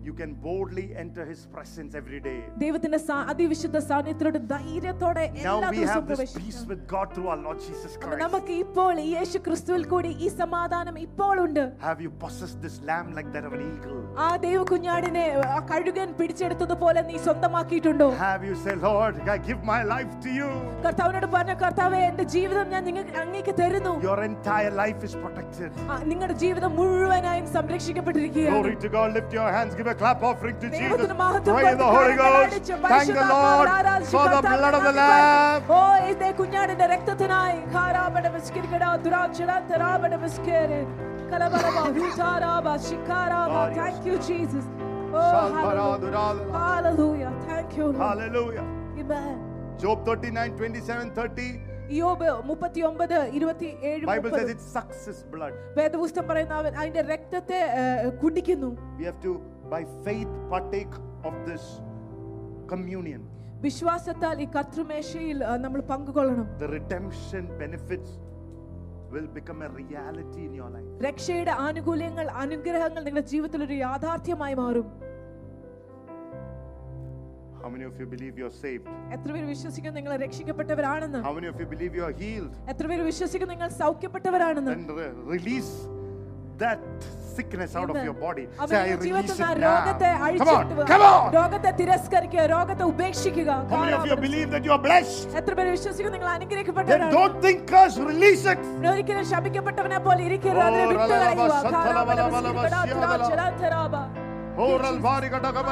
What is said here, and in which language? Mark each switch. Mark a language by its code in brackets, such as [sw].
[en] You can boldly enter his presence every day. [ml] ദൈവത്തിന്റെ അതിവിശുദ്ധ സാന്നിധ്യത്തോടെ ധൈര്യത്തോടെ എല്ലാ ദിവസവും പ്രവേശിക്കാം. [en] Now we have this peace with God through our Lord Jesus Christ. [ml] നമുക്ക് ഇപ്പോൾ യേശു ക്രിസ്തുവിൽ കൂടി ഈ സമാധാനം ഇപ്പോൾ ഉണ്ട്. [en] Have you possessed this lamb like that of an eagle? [ml] ആ ദൈവകുഞ്ഞാടിനെ കഴുകൻ പിടിച്ചെടുത്തതുപോലെ നീ സ്വന്തമാക്കിയിട്ടുണ്ടോ? [en] Have you said, Lord, I give my life to you? [ml] കർത്താവിനോട് പറഞ്ഞു, കർത്താവേ, എന്റെ ജീവിതം ഞാൻ നിങ്ങൾക്ക് അങ്ങേക്ക് തരുന്നു. [en] Your entire life is protected. [ml] നിങ്ങളുടെ ജീവിതം മുഴുവനായും സംരക്ഷിക്കപ്പെട്ടിരിക്കുകയാണ്. [en] Glory to God. Lift your hands. Give a clap offering to Jesus. [ml] ദൈവത്തിന് മഹത്വം. [en] Pray the Holy Ghost. Thank the Lord for the blood of the Lamb. [ml] ഓ ഇതേ കുഞ്ഞാടിന്റെ രക്തത്തിനായി ഖാരാബട വസ്കിരകട ദുരാചട തരാബട വസ്കേരെ കലബലബ ഹൂതാരാബ ശിഖാരാബ. [en] Thank you Jesus. [ml] Oh hallelujah. [en] Hallelujah. Thank you Lord. Hallelujah. Amen. Job 39:27-30. [ml] യോബ് 39:27. [en] Bible says it sucks his blood. [ml] വേദപുസ്തകം പറയുന്നു, അവൻ അതിന്റെ രക്തത്തെ കുടിക്കുന്നു. [en] We have to by faith partake of this communion. [ml] വിശ്വാസത്താൽ ഈ കർത്തൃമേശയിൽ നമ്മൾ പങ്കുകൊള്ളണം. [en] The redemption benefits will become a reality in your life. [ml] രക്ഷയുടെ ആനുകൂല്യങ്ങൾ അനുഗ്രഹങ്ങൾ നിങ്ങളുടെ ജീവിതത്തിൽ ഒരു യാഥാർത്ഥ്യമായി മാറും. [en] How many of you believe you are saved? [ml] എത്ര പേർ വിശ്വസിക്കുന്നു നിങ്ങൾ രക്ഷിക്കപ്പെട്ടവരാണെന്ന്? [en] How many of you believe you are healed? [ml] എത്ര പേർ വിശ്വസിക്കുന്നു നിങ്ങൾ സൗഖ്യപ്പെട്ടവരാണെന്ന്? [en] And release that sickness out of your body. Say, I release it now. Come on, come on. [ml] രോഗത്തെ തിരസ്കരിക്കുക, രോഗത്തെ ഉപേക്ഷിക്കുക. [en] How many of you believe that you are blessed? [ml] എത്ര പേർ വിശ്വസിക്കുന്നു നിങ്ങൾ അനുഗ്രഹിക്കപ്പെട്ടവരാണ്? [en] Don't think curse, release it. [ml] ഒരിക്കലും ശപിക്കപ്പെട്ടവനെ പോലെ ഇരിക്കരുത്, അതിനെ വിട്ടുകളയുക.